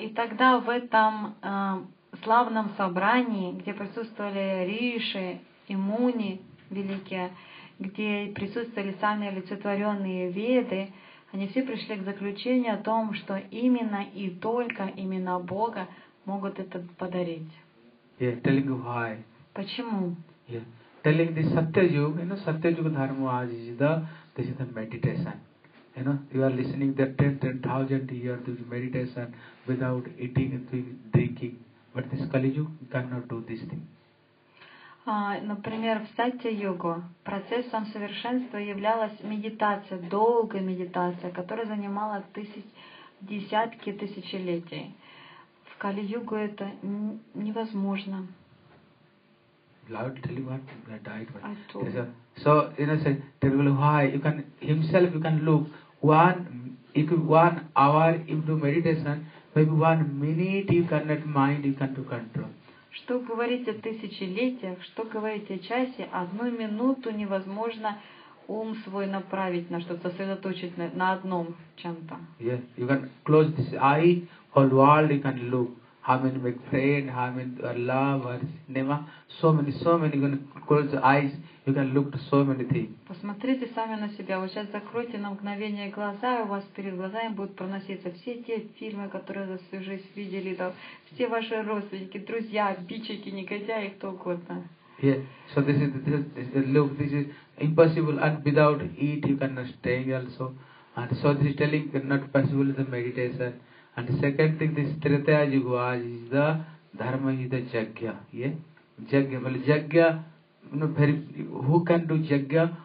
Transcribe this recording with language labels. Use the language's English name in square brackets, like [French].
[Russian] И тогда в этом славном собрании, где присутствовали Риши и Муни великие, где присутствовали сами олицетворенные Веды, они все пришли к заключению о том, что именно и только имена Бога могут это подарить. [English] Yeah, telling you why. [Russian] Почему? [English] Yeah. Telling the Satya Yuga, you know, Satya Yuga Dharma is the meditation. You know, you are listening the 10,000 years of meditation without eating and drinking. But this Kali Yuga cannot do this thing. [Russian] Например, в Сатья Йогу процессом совершенства являлась медитация, долгая медитация, которая занимала десятки тысячелетий. В Кали Йогу это невозможно. [English] Lord, tell you what, I died. So, you know, say, tell you why, you can, himself, you can look, one hour into meditation, maybe 1 minute you cannot mind, you can't control. [Russian] Что говорить о тысячелетиях, что говорить о часе, одну минуту невозможно ум свой направить на что-то, сосредоточить на одном чем-то. [English] Yeah, you can close this eye, whole world you can look. How many make friend, how many love, or cinema, so many, you can close your eyes, you can look to so many things. [Russian] Посмотрите сами на себя, вот сейчас закройте на мгновение глаза, и у вас перед глазами будут проноситься все те фильмы, которые за всю жизнь видели, там, все ваши родственники, друзья, обидчики, негодяи, кто угодно. [English] Yeah, so this is look, this is impossible, and without eat you cannot stay also. And so this is telling not possible is the meditation. And second thing, this Tritaya Yuga is the Dharma is the Jagya. Yeah? Jagya. Well, Jagya, you know, very, who can do Jagya?